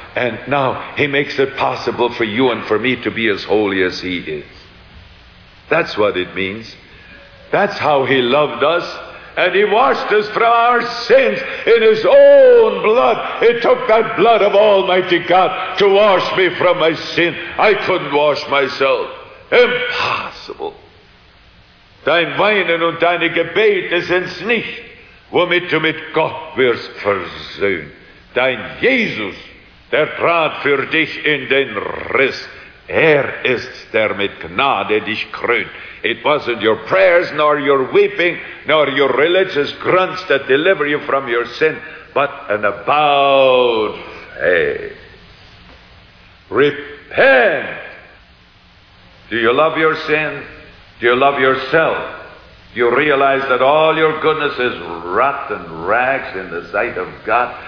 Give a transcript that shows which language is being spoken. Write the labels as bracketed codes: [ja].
[en] And now he makes it possible for you and for me to be as holy as he is. That's what it means. That's how he loved us. And he washed us from our sins in his own blood. It took that blood of Almighty God to wash me from my sin. I couldn't wash myself. Impossible. [de] Dein Weinen und deine Gebete sind's nicht, womit du mit Gott wirst versöhnt. Dein Jesus, der trat für dich in den Riss. Er ist der mit Gnade dich krönt. [en] It wasn't your prayers, nor your weeping, nor your religious grunts that deliver you from your sin, but an avowed faith. Repent. Do you love your sin? Do you love yourself? You realize that all your goodness is rotten rags in the sight of God.